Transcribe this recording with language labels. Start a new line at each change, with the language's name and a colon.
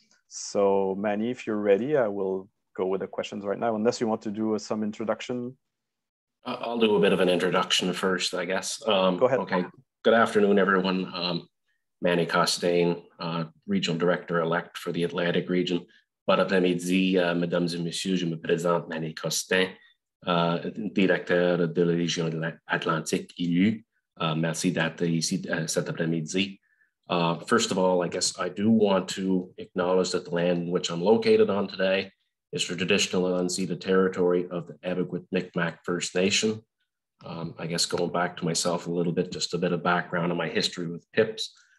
English: So Manny, if you're ready, I will go with the questions right now, unless you want to do some introduction. I'll do a bit of an introduction first, I guess. Go ahead. Okay. Good afternoon, everyone. Manny Costain, Regional Director-elect for the Atlantic Region.
French: Bon après-midi, mesdames et messieurs, je me présente Manny Costain, directeur de la région de l'Atlantique élu. Merci d'être ici cet après-midi.
English: First of all, I guess I do want to acknowledge that the land which I'm located on today is the traditional and unceded territory of the Abigwit Mi'kmaq First Nation. I guess going back to myself a little bit, just a bit of background on my history with PIPs.